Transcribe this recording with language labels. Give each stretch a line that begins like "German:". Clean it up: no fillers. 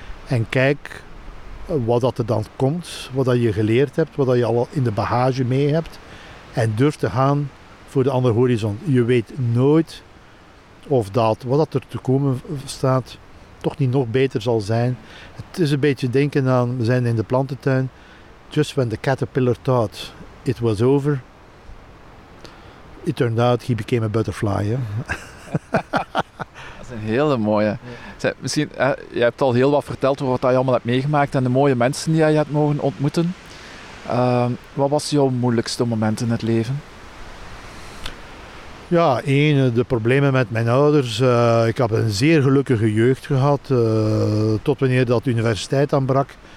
Dutch: En kijk wat dat er dan komt. Wat dat je geleerd hebt. Wat dat je al in de bagage mee hebt. En durf te gaan voor de andere horizon. Je weet nooit of dat wat dat er te komen staat toch niet nog beter zal zijn. Het is een beetje denken aan, we zijn in de plantentuin.
English: Just when the caterpillar thought it was over, it turned out he became a butterfly.
Dutch: Hè? Dat is een hele mooie. Zij, misschien, je hebt al heel wat verteld over wat je allemaal hebt meegemaakt en de mooie mensen die je hebt mogen ontmoeten. Wat was jouw moeilijkste moment in het leven? Ja, één, de problemen met mijn ouders. Ik heb een zeer gelukkige jeugd gehad, tot wanneer dat universiteit aanbrak.